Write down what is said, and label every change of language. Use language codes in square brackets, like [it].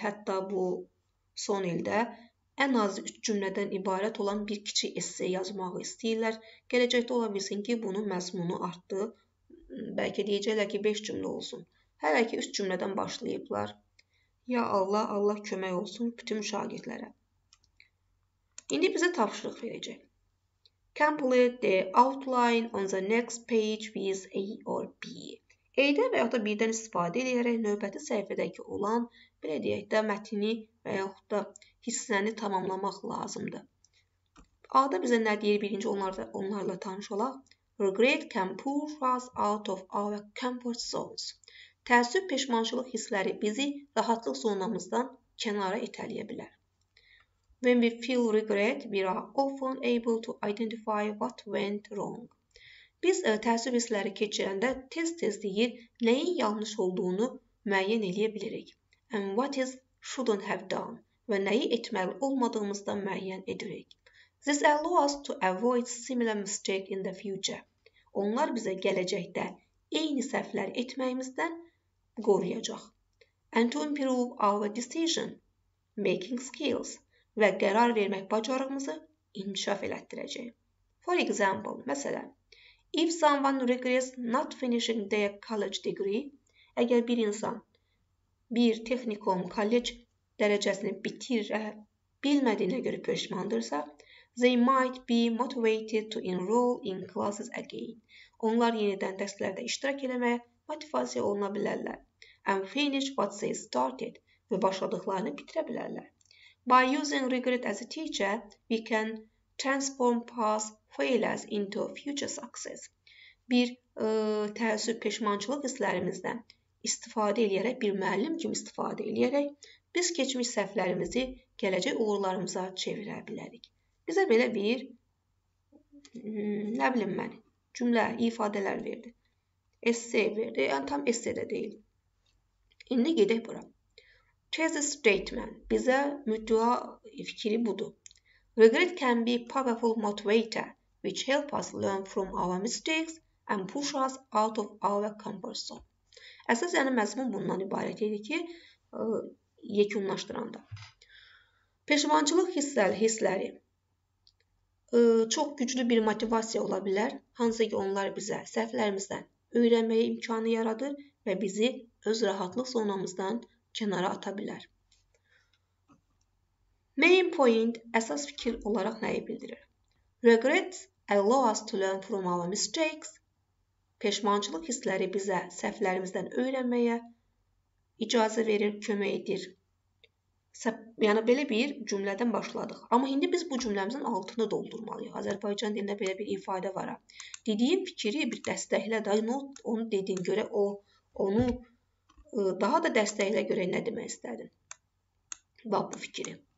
[az] Hətta bu son ildə ən az 3 cümlədən ibarət olan bir kiçik essay yazmağı istəyirlər. Gələcəkdə ola bilsin ki, bunun məzmunu artdı. Bəlkə deyəcəklər ki, 5 cümlə olsun. Hələ ki, 3 cümlədən başlayıblar. Ya Allah, Allah kömək olsun bütün şagirdlərə. İndi bizə tapşırıq verəcək. [en] Complete the outline on the next page with A or B. [az] A-dən və yaxud da B-dən istifadə edərək növbəti səhifədəki olan, belə deyək də, mətini və yaxud da hissəni tamamlamaq lazımdır. A-da bizə nə deyir? Birinci onlarla tanış olaq. [en] Regret can push us out of our comfort zones. [az] Təəssüf, peşmançılıq hissləri bizi rahatlıq zonamızdan kənara itələyə bilər. [en] When we feel regret, we are often able to identify what went wrong. [az] Biz təəssüf hissləri keçirəndə tez-tez deyir, nəyin yanlış olduğunu müəyyən eləyə bilirik. [en] And what is shouldn't have done [az] və nəyi etməli olmadığımızdan müəyyən edirik. [en] This allows us to avoid similar mistakes in the future. [az] Onlar bizə gələcəkdə eyni səhvlər etməyimizdən qoruyacaq. [en] And to improve our decision making skills [az] və qərar vermək bacarığımızı inkişaf elətdirəcək. [en] For example, məsələn, if someone regrets not finishing their college degree, [az] əgər bir insan bir texnikum, kollec dərəcəsini bitirə bilmədiyinə görə peşmandırsa, [en] they might be motivated to enroll in classes again. [az] Onlar yenidən dərslərdə iştirak eləməyə motivasiya oluna bilərlər. [en] And finish what they started [az] və başladıqlarını bitirə bilərlər. [en] By using regret as a teacher, we can transform past failures into future success. [az] Bir təəssüf, peşmançılıq hisslərimizdən istifadə eləyərək, bir müəllim kimi istifadə eləyərək, biz keçmiş səhvlərimizi gələcək uğurlarımıza çevirə bilərik. Bizə belə bir, nə bilim mən, cümlə, ifadələr verdi. Essay verdi, yəni tam essay də deyil. İndi gedək bura. Thesis statement, bizə müddua fikri budur. [en] Regret can be powerful motivator, which help us learn from our mistakes and push us out of our comfort zone. [az] Əsas yəni məzmun bundan ibarət idi ki, yekunlaşdıranda. Peşmançılıq hissləri çox güclü bir motivasiya ola bilər, hansı ki onlar bizə səhvlərimizdən öyrənməyə imkanı yaradır və bizi öz rahatlıq zonamızdan kənara ata bilər. Main point, əsas fikir olaraq nəyi bildirir? [en] Regrets allow us to learn from our mistakes. [az] Peşmançılıq hissləri bizə səhvlərimizdən öyrənməyə icazə verir, kömək edir. Yəni belə bir cümlədən başladıq. Amma indi biz bu cümləmizin altını doldurmalıyıq. Azərbaycan dilində belə bir ifadə var. Dediyim fikri bir dəstəklə də, onu dediyin görə o onu daha da dəstəklə görə nə demək istədin? Bax bu fikri.